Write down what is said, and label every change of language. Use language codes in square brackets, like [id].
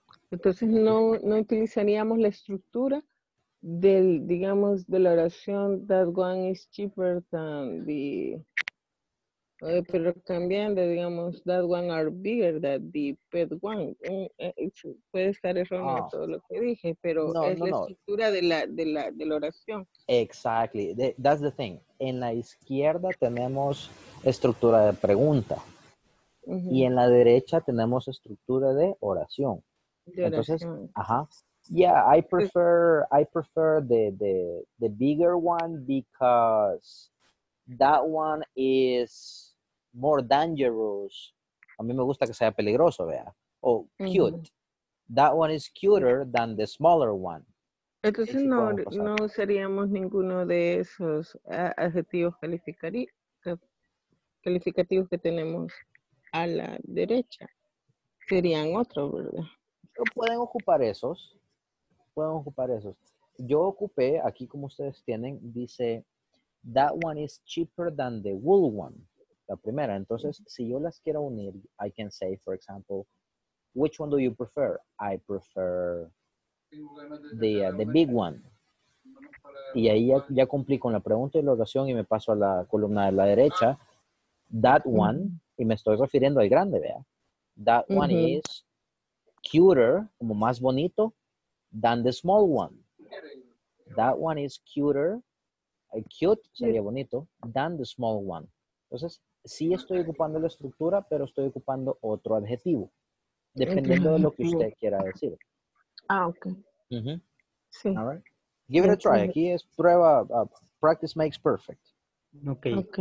[es] Entonces, no utilizaríamos la estructura del, digamos, de la oración [en] that one is cheaper than the... [es] Pero cambiando, digamos, [en] that one are bigger than the pet one. [es] Puede estar erróneo todo lo que dije, pero estructura de la oración. [en] Exactly. That's the thing. [es] En la izquierda tenemos estructura de pregunta. Y en la derecha tenemos estructura de oración. [en] Entonces, I prefer the bigger one because that one is more dangerous. [es] A mí me gusta que sea peligroso, vea. [en] Cute. That one is cuter than the smaller one. [es] Entonces no usaríamos ninguno de esos adjetivos calificativos que tenemos a la derecha. Serían otros, ¿verdad? Pero pueden ocupar esos. yo ocupé aquí como ustedes tienen, dice [en] that one is cheaper than the wool one. [es] La primera. Entonces, si yo las quiero unir, [en] I can say, for example, which one do you prefer? I prefer the big one. [es] Y ahí ya, ya cumplí con la pregunta y la oración y me paso a la columna de la derecha. [en] That one, [es] y me estoy refiriendo al grande, vea. [en] That one is cuter, [es] como más bonito, [en] than the small one. That one is cuter, [es] cute sería bonito, [en] than the small one. [es] Entonces, sí estoy ocupando la estructura, pero estoy ocupando otro adjetivo. Dependiendo de lo que usted quiera decir. Ah, ok. [en] Sí. All right. Give it a try. [es] Aquí es prueba. [en] Practice makes perfect. Okay.